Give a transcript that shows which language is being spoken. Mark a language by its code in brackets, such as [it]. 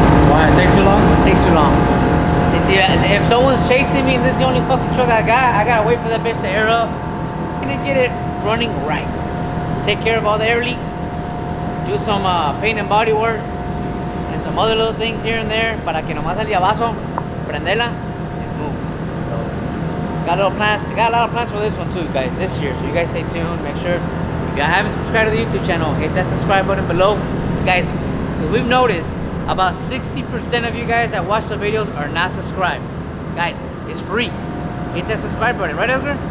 [en] Why? It takes too long? It takes too long. If someone's chasing me and this is the only fucking truck I gotta wait for that bitch to air up. I'm gonna get it running right. Take care of all the air leaks. Do some paint and body work. And some other little things here and there. [es] Para que nomás el llavazo, prendela, [en] and move. So, got a little plans. I got a lot of plans for this one too, guys, this year. So you guys stay tuned. Make sure, if y'all haven't subscribed to the YouTube channel, hit that subscribe button below. Guys, we've noticed about 60% of you guys that watch the videos are not subscribed. Guys, it's free. Hit that subscribe button, right, Edgar?